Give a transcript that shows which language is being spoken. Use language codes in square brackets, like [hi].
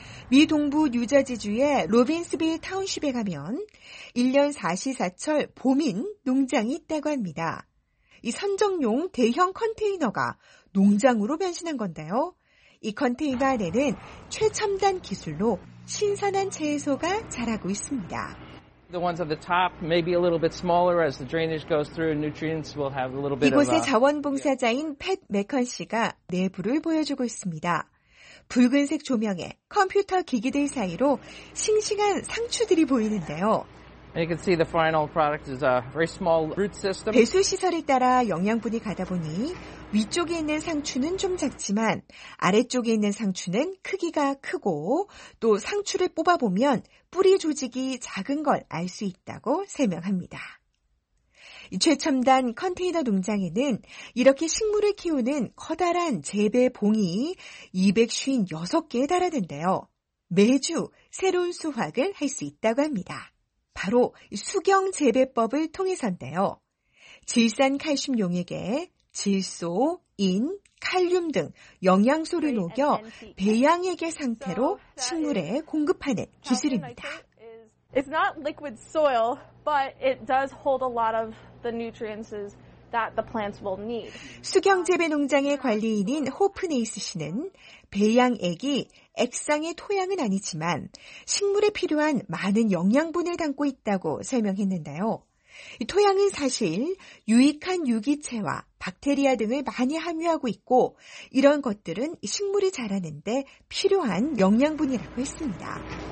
[ko] 미 동부 뉴저지주의 로빈스빌 타운십에 가면 1년 4시 4철 봄인 농장이 있다고 합니다. 이 선정용 대형 컨테이너가 농장으로 변신한 건데요. 이 컨테이너 안에는 최첨단 기술로 신선한 채소가 자라고 있습니다. [en] The ones at the top may be a little bit smaller as the drainage goes through. Nutrients will have a little bit. [ko] 이곳의 자원봉사자인 팻 맥컨 씨가 내부를 보여주고 있습니다. 붉은색 조명에 컴퓨터 기기들 사이로 싱싱한 상추들이 보이는데요. [en] And you can see the final product is a very small root system. [ko] 배수 시설에 따라 영양분이 가다 보니 위쪽에 있는 상추는 좀 작지만 아래쪽에 있는 상추는 크기가 크고 또 상추를 뽑아보면 뿌리 조직이 작은 걸 알 수 있다고 설명합니다. 이 최첨단 컨테이너 농장에는 이렇게 식물을 키우는 커다란 재배봉이 256개에 달하는데요. 매주 새로운 수확을 할 수 있다고 합니다. 바로 수경 재배법을 통해서인데요. 질산 칼슘 용액에 질소, 인, 칼륨 등 영양소를 녹여 배양액의 상태로 식물에 공급하는 기술입니다. [en] It's not liquid soil, but it does hold a lot of the nutrients that the plants will need. [ko] 수경 재배 농장의 관리인인 호프 네이스 씨는 배양액이 액상의 토양은 아니지만 식물에 필요한 많은 영양분을 담고 있다고 설명했는데요. 이 토양은 사실 유익한 유기체와 박테리아 등을 많이 함유하고 있고 이런 것들은 식물이 자라는 데 필요한 영양분이라고 했습니다.